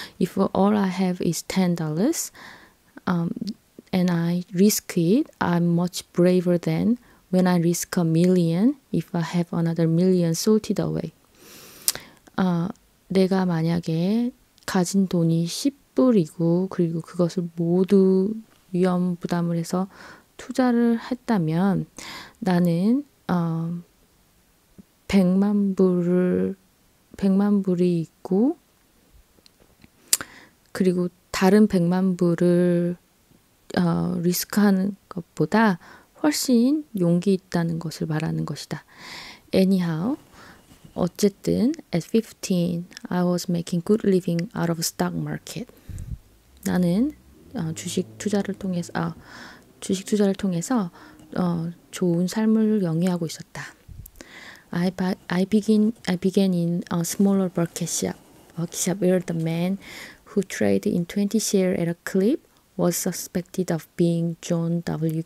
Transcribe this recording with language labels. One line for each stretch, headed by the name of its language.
English: If all I have is $10, and I risk it, I'm much braver than when I risk a million if I have another million salted away.
Korean: 내가 만약에 가진 돈이 10불이고, 그리고 그것을 모두 위험 부담을 해서 투자를 했다면, 나는, 100만 불이 있고, 그리고 다른 100만 불을, 리스크하는 것보다 훨씬 용기 있다는 것을 말하는 것이다.
English: Anyhow.
Korean: 어쨌든,
English: at 15, I was making good living out of stock market.
Korean: 나는 주식 투자를 통해서 좋은 삶을 영위하고 있었다.
English: I began in a smaller bucket shop, where the man who traded in 20 shares at a clip was suspected of being John W.